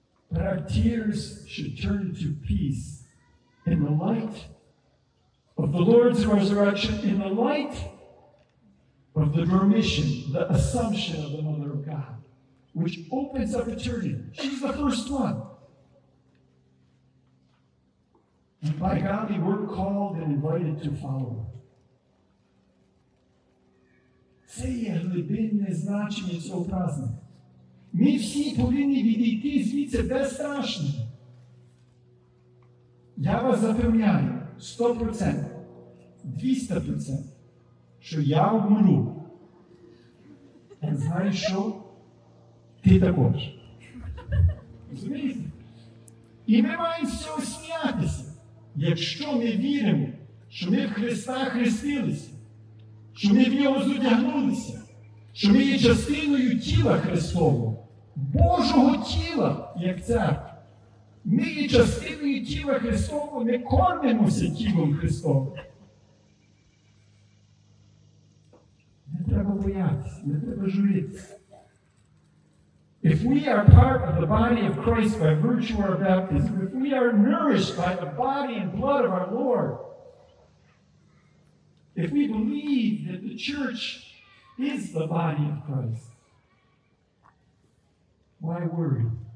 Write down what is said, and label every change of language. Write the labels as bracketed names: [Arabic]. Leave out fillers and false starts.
[English] But our tears should turn to peace in the light of the Lord's resurrection, in the light of the dormition, the assumption of the Mother of God, which opens up eternity. She's the first one. And by God, we were called and invited to follow her. [Ukrainian] Це є глибинне значення цього праздника. Ми всі повинні відійти звідси безстрашно. Я вас запевняю, 100%, 200%, що я вмру. А знаєш що? Ти також. Розумієте? І ми маємо з цього сміятися. Якщо ми віримо, що ми в Христа хрестилися, що ми в Нього зодягнулися, що ми є частиною тіла Христового, Божого тіла, як церква, ми є частиною тіла Христового, ми кормимося тілом Христовим. Не треба боятися, не треба журитися. [English] If we are part of the body of Christ by virtue of our baptism, if we are nourished by the body and blood of our Lord, if we believe that the church is the body of Christ, why worry?